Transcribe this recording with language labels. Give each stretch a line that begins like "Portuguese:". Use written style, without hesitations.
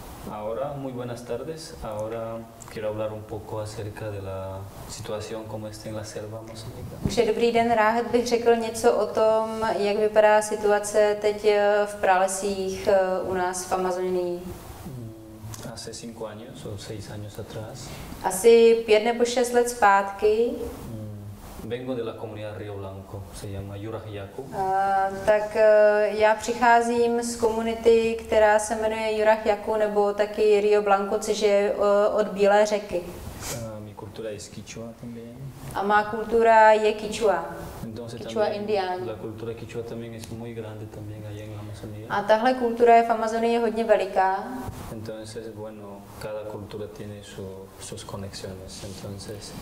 Spanish: Ahora, muy buenas tardes. Ahora quiero hablar un poco acerca de la situación como está en la selva amazónica.
Czech: Už je dobrý den, rád bych řekl něco o tom, jak vypadá situace teď v pralesích u nás v Amazonii.
Spanish: Hace 5 años o 6 años atrás.
Czech: Asi 5 nebo 6 let zpátky.
Spanish: Vengo de la comunidad Río Blanco, se llama Yurajaku.
Czech: Tak já přicházím z komunity, která se jmenuje Yurajaku nebo taky Río Blanco, což je od Bílé řeky.
Spanish: Mi cultura es Quichua también.
Czech: A má kultura je Quichua. Quichua indián.
Spanish: La cultura Quichua también es muy grande también allá en la Amazonía.
Czech: A tahle kultura je v Amazonii je hodně veliká.
Spanish: Entonces, bueno, cada cultura tiene sus conexiones, entonces.